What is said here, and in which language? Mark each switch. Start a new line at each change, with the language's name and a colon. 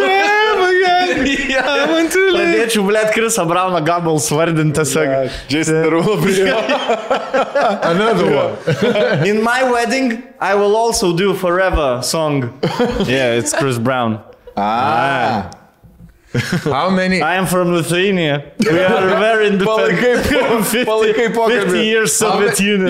English: Forever, yeah, I want to live.
Lithuanian: Pradėčiau, blėt, Chris'o Brown'o gabalą svardinti tiesiog. Jason Derulo prie.
English: Another one. In my wedding, I will also do forever song. Yeah, it's Chris Brown. Ah. How many? I am from Lithuania. We are very independent.
Lithuanian: Palaikai pokalbį.
English: 50 years Soviet Union.